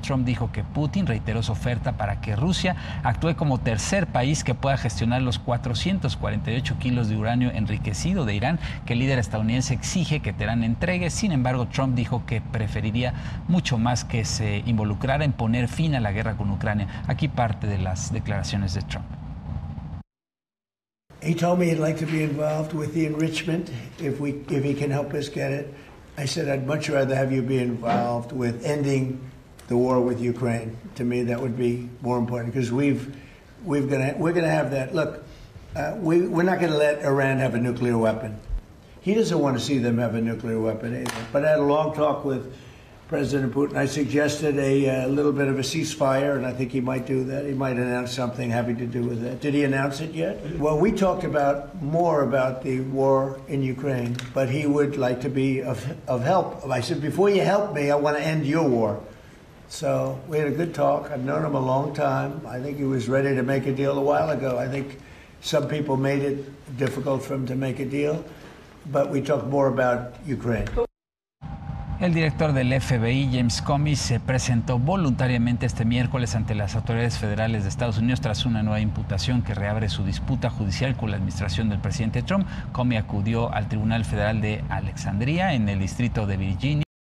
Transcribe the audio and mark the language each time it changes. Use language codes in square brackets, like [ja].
[es] Trump dijo que Putin reiteró su oferta para que Rusia actúe como tercer país que pueda gestionar los 448 kilos de uranio enriquecido de Irán, que el líder estadounidense exige que Teherán entregue. Sin embargo, Trump dijo que preferiría mucho más que se involucrara en poner fin a la guerra con Ucrania. Aquí parte de las declaraciones de Trump. [en] He told me he'd like to be involved with the enrichment if he can help us get it. I said I'd much rather have you be involved with ending the war with Ukraine. To me, that would be more important because we're gonna have that. Look, we're not gonna let Iran have a nuclear weapon. He doesn't want to see them have a nuclear weapon either. But I had a long talk with President Putin. I suggested a little bit of a ceasefire, and I think he might do that. He might announce something having to do with that. Did he announce it yet? Well, we talked about more about the war in Ukraine, but he would like to be of help. I said, before you help me, I want to end your war. So we had a good talk. I've known him a long time. I think he was ready to make a deal a while ago. I think some people made it difficult for him to make a deal, but we talked more about Ukraine. [es] El director del FBI, James Comey, se presentó voluntariamente este miércoles ante las autoridades federales de Estados Unidos tras una nueva imputación que reabre su disputa judicial con la administración del presidente Trump. Comey acudió al Tribunal Federal de Alexandria en el distrito de Virginia.